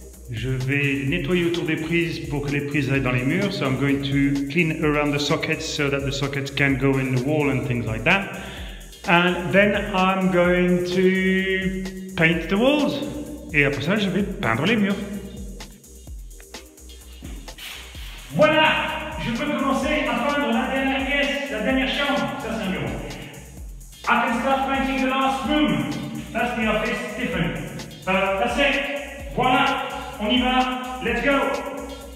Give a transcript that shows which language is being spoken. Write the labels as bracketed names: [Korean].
[French] Je vais nettoyer autour des prises pour que les prises aillent dans les murs. [English] So I'm going to clean around the sockets so that the sockets can go in the wall and things like that. And then I'm going to paint the walls. [French] Et après ça, je vais peindre les murs. Voilà! Je peux commencer à peindre la dernière pièce, la dernière chambre. Ça, c'est un bureau. [English] I can start painting the last room. That's the office, Stephen. That's it. [French] Voilà! On y va! [English] Let's go!